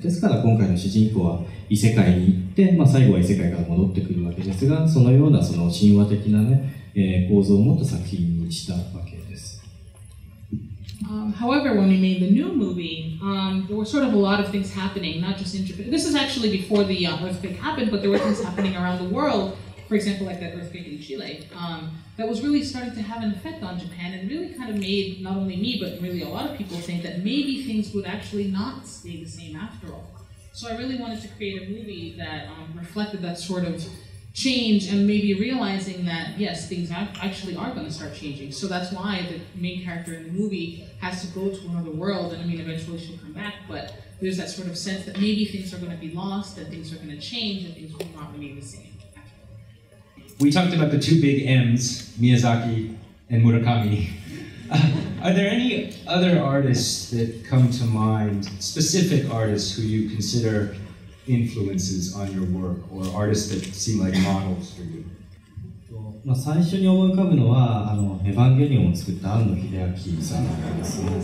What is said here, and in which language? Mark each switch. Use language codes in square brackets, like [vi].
[ja] ですから今回の主人公は異世界に行って、最後は異世界から戻ってくるわけですが、そのようなその神話的な、構造を持った作品にしたわけです。 [en] However, when we made the new movie, there were sort of a lot of things happening, not just in Japan. This is actually before the earthquake happened, but there were things happening around the world, for example, like that earthquake in Chile. That was really starting to have an effect on Japan and really kind of made not only me but really a lot of people think that maybe things would actually not stay the same after all. So I really wanted to create a movie that reflected that sort of change and maybe realizing that yes, things actually are going to start changing. So that's why the main character in the movie has to go to another world and I mean eventually she'll come back, but there's that sort of sense that maybe things are going to be lost, that things are going to change and things will not remain the same. We talked about the two big M's, Miyazaki and Murakami. Are there any other artists that come to mind, specific artists who you consider influences on your work, or artists that seem like models for you? [ja] 最初に思い浮かぶのは、エヴァンゲリオンを作った庵野秀明さんなんです。